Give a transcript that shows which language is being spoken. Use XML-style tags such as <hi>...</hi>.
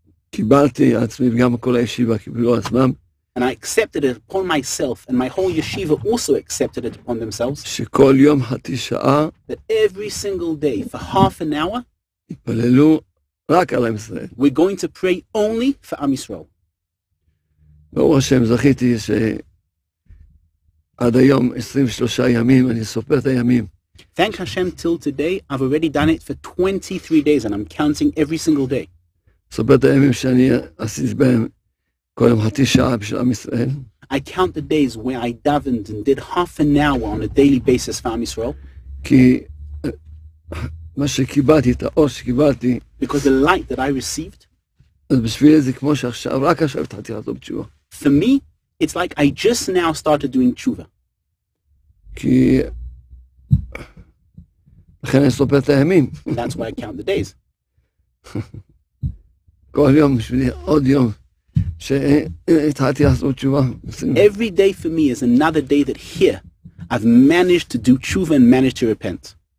<he>קיבלתי עצמי וגם כל הישיבה קיבלו עצמם.</he> <en>And I accepted it upon myself, and my whole yeshiva also accepted it upon themselves,</en> <he>שכל יום חצי שעה,</he> <en>that every single day, for half an hour,</en> <he>יתפללו רק על עם ישראל.</he> <en>We're going to pray only for Am Yisrael.</en> <he>ברוך השם, זכיתי שעד היום 23 ימים, אני סופר את הימים.</he> <en>Thank Hashem, till today, I've already done it for 23 days, and I'm counting every single day.</en> <he>סופר את הימים שאני עשיתי בהם, כל יום חצי שעה בשביל עם ישראל.</he> <en>I count the days where I davened and did half an hour on a daily basis for Am Yisrael.</en> <he>כי מה שקיבלתי, את האור שקיבלתי,</he> <en>because the light that I received,</en> <he>אז בשביל זה כמו שעכשיו, רק עכשיו התחלתי לעשות תשובה.</he> <en>For me, it's like I just now started doing תשובה.</en> <he>כי לכן אני סופר את הימים.</he> <en>That's why I count the days.</en> <he>כל יום בשבילי עוד יום.</he> <en>Every day for me is another day that here I've managed to do tshuva and managed to repent.</en>